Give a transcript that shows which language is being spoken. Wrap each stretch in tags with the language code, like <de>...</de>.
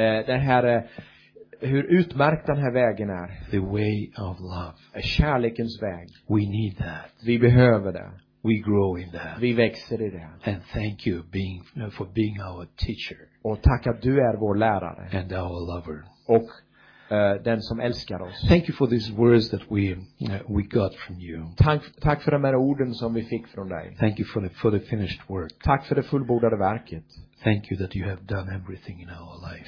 <sv>Den här, hur utmärkt den här vägen är.</sv> <en>The way of love.</en> <sv>Kärlekens väg.</sv> <en>We need that.</en> <sv>Vi behöver det.</sv> <en>We grow in that.</en> <sv>Vi växer i det.</sv> <en>And thank you for being our teacher.</en> <sv>Och tack att du är vår lärare.</sv> <en>And our lover.</en> <sv>Och den som älskar oss.</sv> <en>Thank you for these words that we got from you.</en> <sv>Tack för de här orden som vi fick från dig.</sv> <en>Thank you for the finished work.</en> <sv>Tack för det fullbordade verket.</sv> <en>Thank you that you have done everything in our life.</en>